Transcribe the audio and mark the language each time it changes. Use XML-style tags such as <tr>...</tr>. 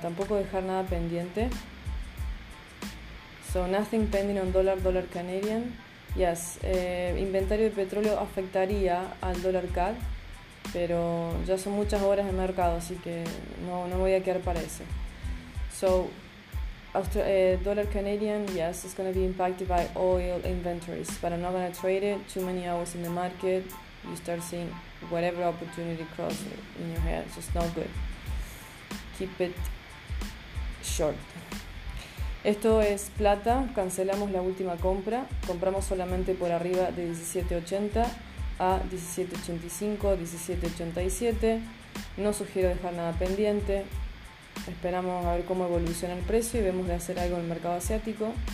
<es>Tampoco dejar nada pendiente.</es> <en>So nothing pending on dólar Canadian.</en> <es>Yes, inventario de petróleo afectaría al dólar CAD, pero ya son muchas horas de mercado, así que no voy a quedar para eso.</es> <en>So, dollar Canadian, yes, it's going to be impacted by oil inventories, but I'm not going to trade it. Too many hours in the market, you start seeing whatever opportunity cross in your head. It's just not good. Keep it short.</en> <es>Esto es plata, cancelamos la última compra, compramos solamente por arriba de 17.80 a 17.85, 17.87, no sugiero dejar nada pendiente, esperamos a ver cómo evoluciona el precio y vemos de hacer algo en el mercado asiático.</es>